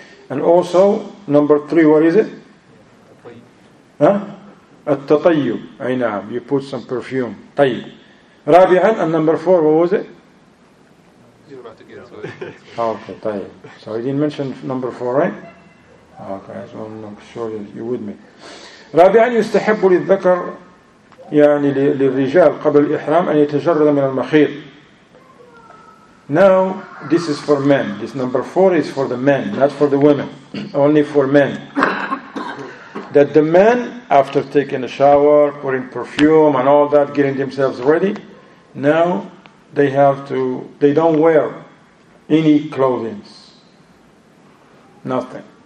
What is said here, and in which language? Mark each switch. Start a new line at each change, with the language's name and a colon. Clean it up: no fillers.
English: And also, number 3, what is it? At-tatayyub, ay na'am, you put some perfume, tayyib. Rabi'an, and number 4, what was it? Okay, tayyib. So I didn't mention number 4, right? Okay, so I'm not sure you're with me.
Arabic: Rabi'an, يستحب للذكر يعني للرجال قبل الإحرام أن يتجرد من المخيط.
English: Now, this is for men. This number 4 is for the men, not for the women. Only for men. That the men, after taking a shower, putting perfume and all that, getting themselves ready, now they don't wear any clothing. Nothing.